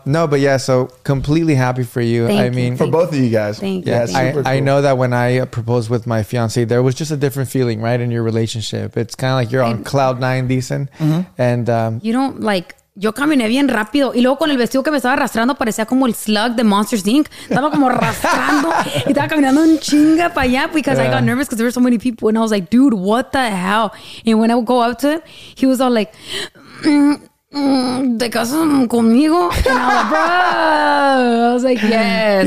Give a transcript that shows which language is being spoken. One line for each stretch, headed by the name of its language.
English: No, but yeah, so completely happy for you. Thank you, both of you guys. I know that when I proposed with my fiance, there was just a different feeling, right, in your relationship. It's kind of like you're on cloud nine, Deason. Mm-hmm. And you don't like...
Spanish: Yo caminé bien rápido y luego con el vestido que me estaba arrastrando parecía como el slug de Monsters, Inc. Estaba como arrastrando y estaba caminando un chinga para allá
English: because I got nervous because there were so many people and I was like, dude, what the hell? And when I would go up to him, he was all like,
Spanish: ¿te casas conmigo?
English: And I was like, bro. I was like, yes.